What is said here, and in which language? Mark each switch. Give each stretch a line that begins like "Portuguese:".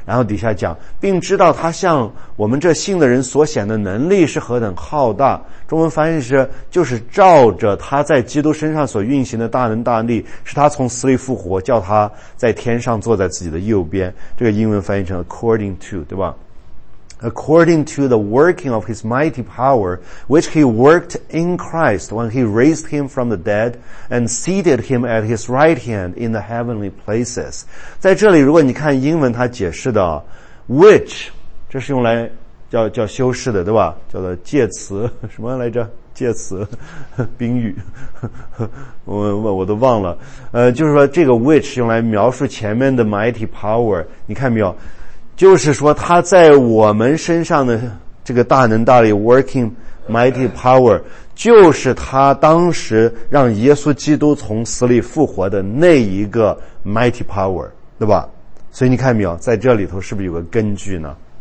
Chinese: 然后底下讲，并知道他向我们这信的人所显的能力是何等浩大。中文翻译是，就是照着他在基督身上所运行的大能大力，使他从死里复活，叫他在天上坐在自己的右边。这个英文翻译成 according to， 对吧？
English: According to the working of his mighty power, which he worked in Christ when he raised him from the dead and seated him at his right hand in the heavenly places。
Chinese: 在这里如果你看英文，他解释的 which， 这是用来叫修饰的，对吧？叫做介词什么来着，介词宾语，我都忘了。就是说这个 which 用来描述前面的 mighty power， 你看没有，就是说他在我们身上的这个大能大力
English: working mighty power，
Chinese: 就是他当时让耶稣基督从死里复活的那一个 mighty power， 对吧？所以你看没有，在这里头是不是有个根据呢？